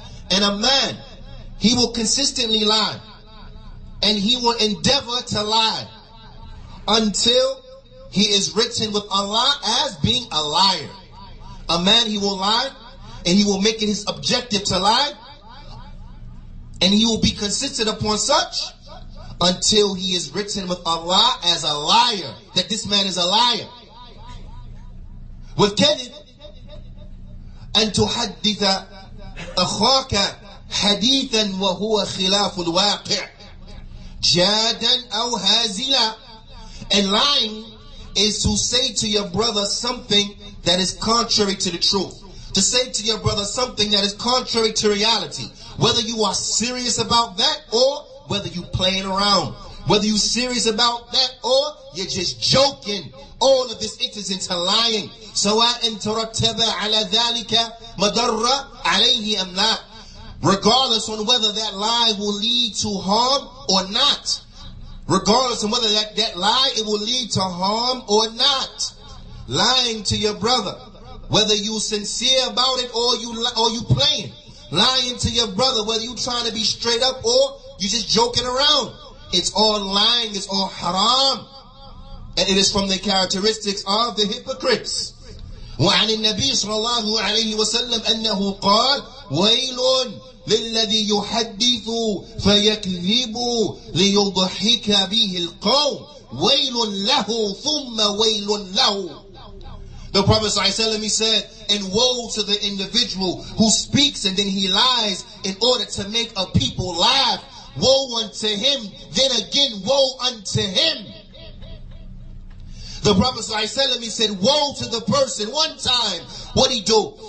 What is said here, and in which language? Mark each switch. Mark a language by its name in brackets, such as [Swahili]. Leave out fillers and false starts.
[English] And a man, he will consistently lie, and he will endeavor to lie until he is written with Allah as being a liar. A man, he will lie, and he will make it his objective to lie, and he will be consistent upon such until he is written with Allah as a liar, that this man is a liar. With [Arabic] كذب أن تحدث أخاك حديثا وهو خلاف الواقع جادا أو هازلا. [English] And lying is to say to your brother something that is contrary to the truth. To say to your brother something that is contrary to reality. Whether you are serious about that or whether you playing around. Whether you serious about that or you're just joking. All of this enters into lying. [Arabic] سواء ترتب على ذلك مضرة عليه أم لا. [English] Regardless on whether that lie will lead to harm or not. Regardless on whether that lie, it will lead to harm or not. Lying to your brother, whether you sincere about it or you playing. Lying to your brother, whether you trying to be straight up or you just joking around. It's all lying, it's all haram. And it is from the characteristics of the hypocrites. [Arabic] وعن النبي صلى الله عليه وسلم أنه قال ويل للذي يحدث فيكذب ليضحك به القوم ويل له ثم ويل له. [English] The Prophet صلى الله عليه وسلم, he said, and woe to the individual who speaks and then he lies in order to make a people laugh. Woe unto him, then again woe unto him. The Prophet صلى الله عليه وسلم, he said, woe to the person. One time, what he do?